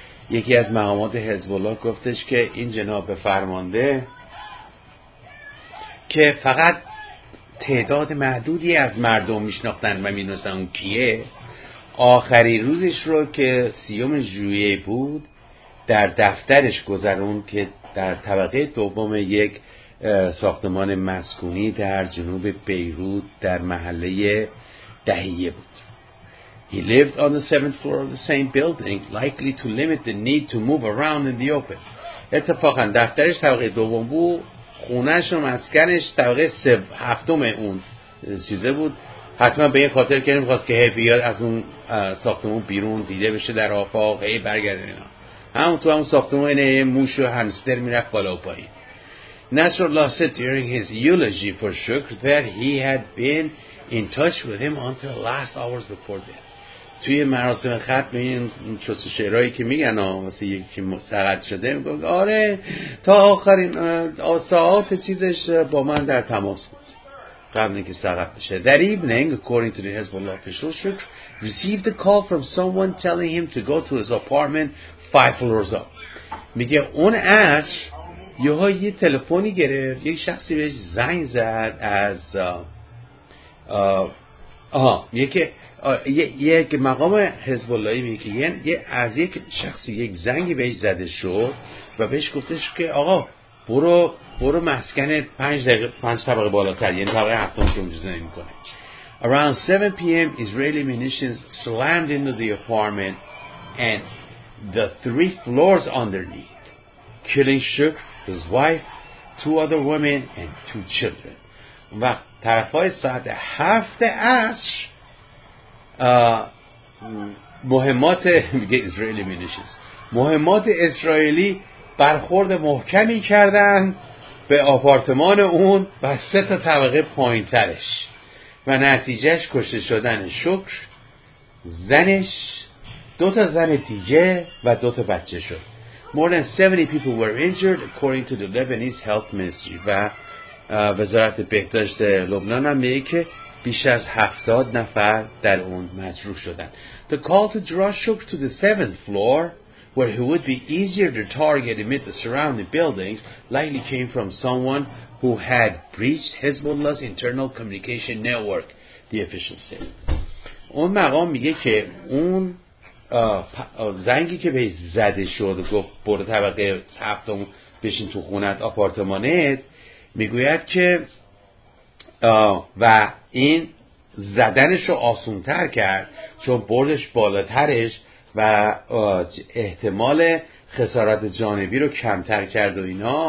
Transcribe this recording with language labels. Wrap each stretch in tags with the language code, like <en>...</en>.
<fa>یکی از مقامات Hezbollah گفتش که این جناب فرمانده که فقط تعداد محدودی از مردم میشناختن و میدونستن اون کیه، آخرین روزش رو که 30 ژوئیه بود در دفترش گذرون که در طبقه دوم یک ساختمان مسکونی در جنوب بیروت در محله دهیه بود.</fa> <en>He lived on the 7th floor of the same building, likely to limit the need to move around in the open.</en> <fa>اتفاقا دفترش طبقه دوم بود، خونه‌اش و مسکنش طبقه 7th اون چیزه بود، حتما به این خاطر که نمیخواست که هی بیاد از اون ساختمون بیرون دیده بشه در آفاق، هی برگرده اینا، همون تو همون ساختمون اینه موش و همستر میرفت بالا و پایین.</fa> <en>Nasrallah said during his eulogy for Shukr that he had been in touch with him until last hours before death.</en> <fa>توی مراسم ختم این چوس شعرهایی که میگن واسه یکی مسقط شده، میگن آره تا آخرین ساعت چیزش با من در تماس بود قبل اینکه سقط بشه.</fa> <en>That evening, according to the Hezbollah official, Shukr received a call from someone telling him to go to his apartment 5 floors up.</en> <fa>میگه اون عصر یه تلفنی گرفت، یک شخصی بهش زنگ زد از یک مقام حزب‌الله میگه از یک شخصی یک زنگی بهش زده شد و بهش گفتش که آقا برو مسکن 5 طبقه بالاتر، یعنی طبقه 7 که اونجوری نمی کنه.</fa> <en>Around 7 p.m. Israeli munitions slammed into the apartment and the 3 floors underneath, killing Shukr, his wife, 2 other women and 2 children.</en> <fa>و طرفای ساعت 7 عصر مهمات اسرائیلی مینیشنز، مهمات اسرائیلی برخورد محکمی کردن به آپارتمان اون و 3 طبقه پایین ترش و نتیجهش کشته شدن شکر، زنش، 2 زن دیگه و 2 بچه شد.</fa> <en>More than 70 people were injured according to the Lebanese health ministry.</en> <fa>و وزارت بهداشت لبنان هم میگه که بیش از 70 نفر در اون مجروح شدن.</fa> <en>The call to Drashuk to the 7th floor, where he would be easier to target amid the surrounding buildings, likely came from someone who had breached Hezbollah's internal communication network, the official said.</en> <fa>اون مقام میگه که اون زنگی که بهش زده شد و گفت برو طبقه هفتم بشین تو خونت آپارتمانت، میگوید که و این زدنشو آسون تر کرد چون بردش بالاترش و احتمال خسارت جانبی رو کمتر کرد و اینا.</fa>